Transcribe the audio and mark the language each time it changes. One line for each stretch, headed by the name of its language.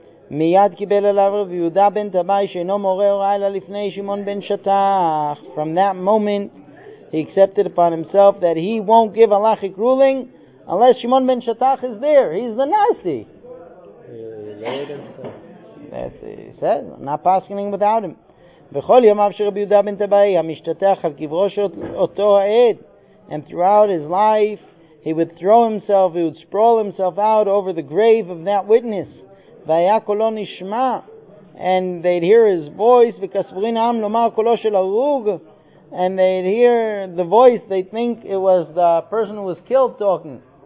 Hebrew: מיד קיבל אליו רב יהודה בן תבאי שאינו מורה הוראה אלא לפני שמעון בן שטח.
English: From that moment, he accepted upon himself that he won't give a halachic ruling unless Shimon ben Shatach is there. He's the Nasi. He lowered himself. That's what he says. I'm not passing without him.
Hebrew: וכל ימיו של רב יהודה בן תבאי המשתתח על קברו של אותו העד.
English: And throughout his life, he would throw himself, he would sprawl himself out over the grave of that witness. והיה קולו נשמע, and they'd hear his voice, וכסבורין העם לומר קולו של הרוג, and they'd hear the voice, they'd think it was the person who was killed talking.